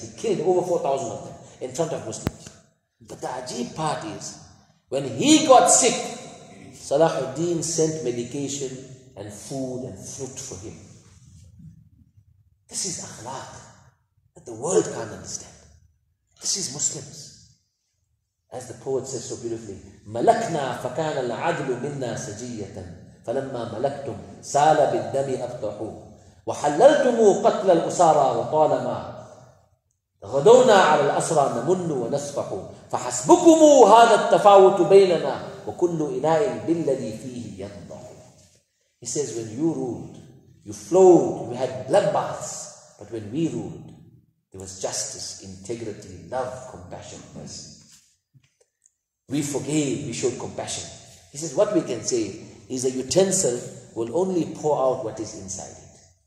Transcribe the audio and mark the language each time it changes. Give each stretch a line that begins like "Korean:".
English: He killed over 4,000 of them in front of Muslims. But the ajeeb part is, when he got sick, Salahuddin sent medication and food and fruit for him. This is akhlaq that the world can't understand. This is Muslims. As the poet says so beautifully,
Arabic: مَلَكْنَا فَكَانَ الْعَدْلُ مِنَّا سَجِيَّةً فَلَمَّا مَلَكْتُمْ سَالَ بِالدَّمِ أَبْطَحُ وَحَلَّلْتُمُ قَتْلَ الْأُسَارَى وَطَالَمَا غَدَوْنَا عَلَى الْأَسْرَى نَمُنُّ وَنَسْفَحُ فَحَسْبُكُمُ هَذَا التَّفَاوُتُ بَيْنَنَا وَكُلُّ إِلَاءٍ بِالَّذِي فِيهِ يَنْضَحُ.
English: He says, when you ruled, you flowed, we had bloodbaths. But when we ruled, there was justice, integrity, love, compassion, mercy. We forgave, we showed compassion. He says, what we can say is a utensil will only pour out what is inside it.